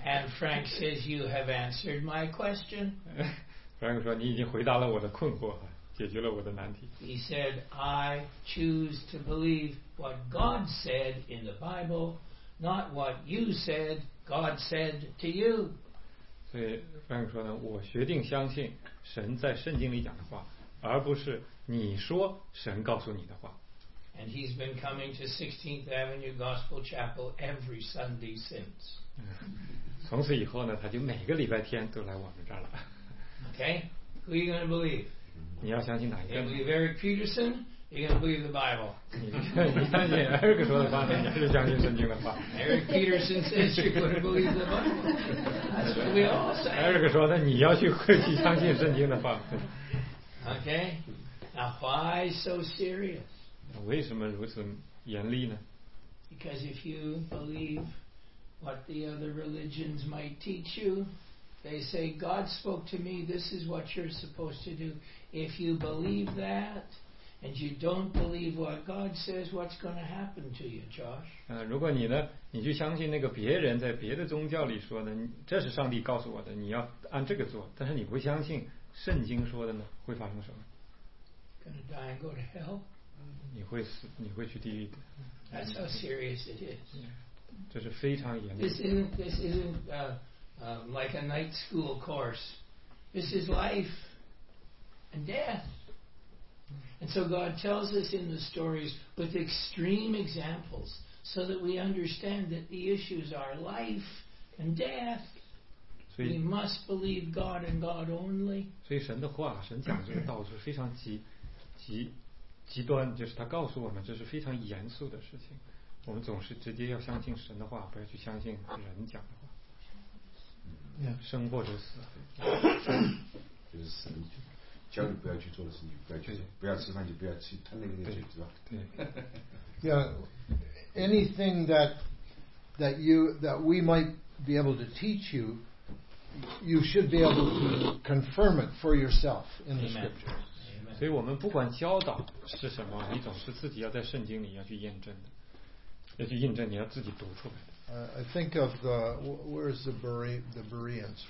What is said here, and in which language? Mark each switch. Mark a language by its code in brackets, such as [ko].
[en] And Frank says, you have answered my question. [zh] Frank 说，你已经回答了我的困惑，解决了我的难题。 [en] He said, I choose to believe what God said in the Bible, not what you said, God said to you. [zh] 所以 Frank 说呢，我决定相信神在圣经里讲的话，而不是你说神告诉你的话。 [en] And he's been coming to 16th Avenue Gospel Chapel every Sunday since. [zh] 从此以后呢，他就每个礼拜天都来我们这儿了。 [en] Okay, who are you going to believe? [zh] 你要相信哪一个？ [en] You believe Eric Peterson? You're going to believe the Bible. [zh] 你相信 Eric 说的话，你还是相信圣经的话？ [en] Eric Peterson says you're going to believe the Bible. That's what we all say. [zh] Eric 说的，你要去相信圣经的话。 [en] Okay, now why so serious? [zh] 为什么如此严厉呢？ [en] Because if you believe what the other religions might teach you, they say, God spoke to me, this is what you're supposed to do. If you believe that, and you don't believe what God says, what's going to happen to you, Josh? [zh] 如果你呢，你就相信那个别人在别的宗教里说的，这是上帝告诉我的，你要按这个做，但是你不相信圣经说的呢，会发生什么？ [en] Gonna die and go to hell? [zh] 你会去地狱的。 [en] That's how serious it is. [zh] 这是非常严厉。 [en] This isn't like a night school course. This is life and death. And so God tells us in the stories with extreme examples so that we understand that the issues are life and death. We must believe God and God only. [zh] 所以神的话，神讲这个道是非常极端，就是他告诉我们这是非常严肃的事情，我们总是直接要相信神的话，不要去相信人讲的话。生或者死，就是死，你叫你不要去做的事情，不要去做，不要吃饭就不要去吞那个东西，是吧？对。 [en] Anything that we might be able to teach you, you should be able to confirm it for yourself in the scriptures. [zh] 所以我们不管教导是什么，你总是自己要在圣经里要去验证的，要去印证，你要自己读出来的。 [en] I think of the where is the Bereans?